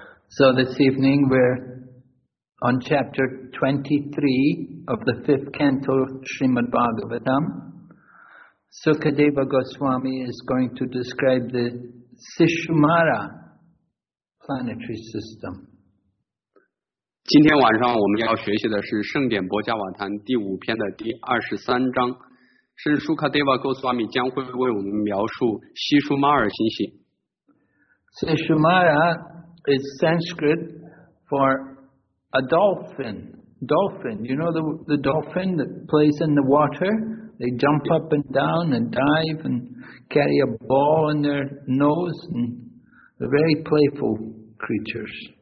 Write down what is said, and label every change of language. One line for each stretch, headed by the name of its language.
English: So this evening we're on chapter 23 of the fifth canto of Srimad Bhagavatam. Sukadeva Goswami is going to describe the Sishumara planetary system.
Chinese: 今天晚上我们要学习的是圣典波迦瓦坛第五篇的第23章. Sukadeva Goswami 将会为我们描述 Sishumara 星系.
English: Sishumara is Sanskrit for a dolphin. Dolphin, you know the dolphin that plays in the water? They jump up and down and dive and carry a ball in their nose and they're very playful creatures.